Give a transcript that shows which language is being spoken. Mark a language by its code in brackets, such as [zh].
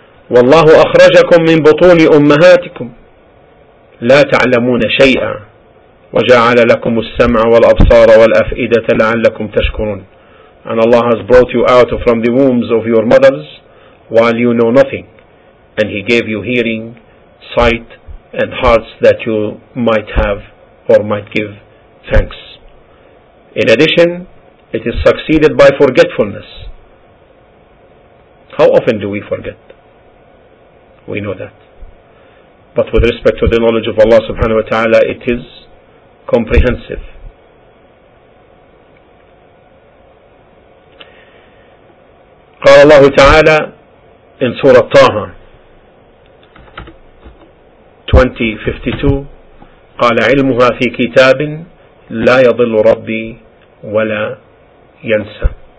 [ar] والله أخرجكم من بطون أمهاتكم لا تعلمون شيئا وجعل لكم السمع والأبصار والأفئدة لعلكم تشكرون. [en] And Allah has brought you out from the wombs of your mothers while you know nothing. And he gave you hearing, sight, and hearts that you might have or might give thanks. In addition, it is succeeded by forgetfulness. How often do we forget? We know that. But with respect to the knowledge of Allah subhanahu wa ta'ala, it is comprehensive. [ar] قال الله تعالى [en] in Surah Taha [ar] 20:52, قال علمها في كتاب لا يضل ربي ولا ينسى.